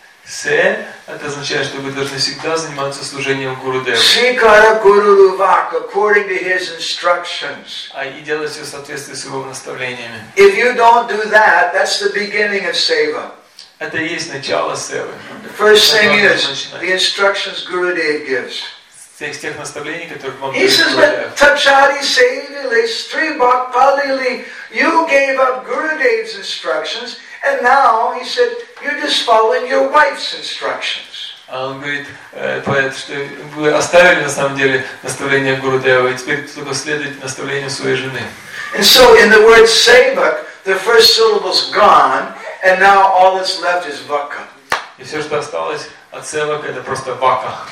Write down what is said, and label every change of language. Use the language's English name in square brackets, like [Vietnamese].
[Russian] Се, это означает, что вы должны всегда заниматься служением Гуру Деву. [English] Шикара Гуру Лувак, according to his instructions. [Russian] А и делать все в соответствии с его наставлениями. [English] If you don't do that, that's the beginning of seva. [Russian] Это и есть начало севы. [English] The first thing is the instructions Guru Dev gives. [Russian] Из тех наставлений, которые вам [English] He says, but Tachari Sevili, Sri Bhakpalili, you gave up Gurudev's instructions, and now, he said, you're just following your wife's instructions. [Russian] Он говорит, поэт, что вы оставили на самом деле наставление Гурудева, и теперь только следуете наставлению своей жены. [English] And so, in the word Sevak, the first syllable's gone, and now all that's left is Vakka. [Russian] И все, что осталось от Севака, это просто Вакка.